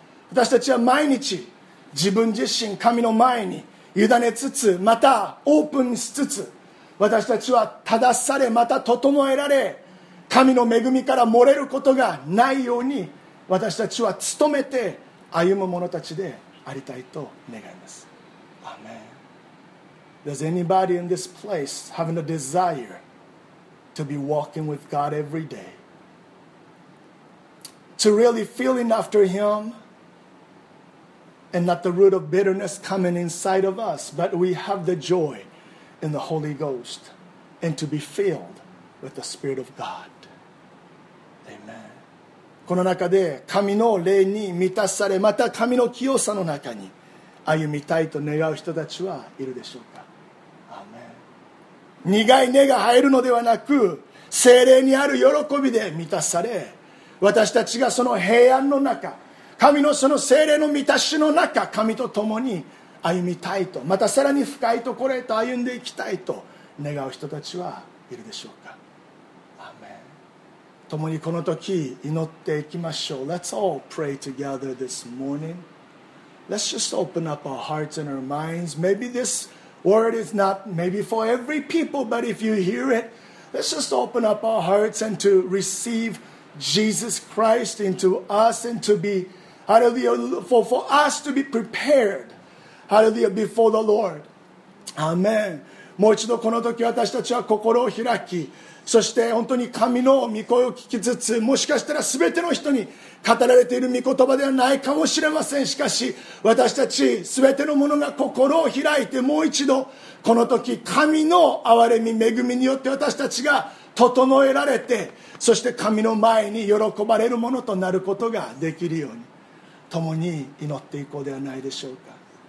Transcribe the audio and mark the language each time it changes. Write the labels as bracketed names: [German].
[Japanese] 私たちは毎日自分自身神の前に委ねつつ、またオープンしつつ、私たちは正され、また整えられ、神の恵みから漏れることがないように、私たちは努めて歩む者たちでありたいと願います。アーメン。 [English] Does anybody in this place having a desire to be walking with God every day? To really feeling after Him and not the root of bitterness coming inside of us, but we have the joyin the Holy Ghost, and to be filled with the Spirit of God. Amen. [Japanese] この中で神の霊に満たされ、また神の清さの中に歩みたいと願う人たちはいるでしょうか。 [English] Amen. [Japanese] 苦い根が生えるのではなく、聖霊にある喜びで満たされ、私たちがその平安の中、神のその聖霊の満たしの中、神と共に歩みたいと、またさらに深いところへと歩んでいきたいと願う人たちはいるでしょうか。アーメン。共にこの時祈っていきましょう。 [English] Let's all pray together this morning. Let's just open up our hearts and our minds. Maybe this word is not maybe for every people, but if you hear it, let's just open up our hearts and to receive Jesus Christ into us, and to be hallelujah, for us to be preparedHallelujah, before the Lord. Amen. [Japanese] もう一度この時私たちは心を開き、そして本当に神の御声を聞きつつ、もしかしたら全ての人に語られている御言葉ではないかもしれません。しかし私たち全ての者が心を開いて、もう一度この時神の憐れみ恵みによって私たちが整えられて、そして神の前に喜ばれるものとなることができるように共に祈っていこうではないでしょうか。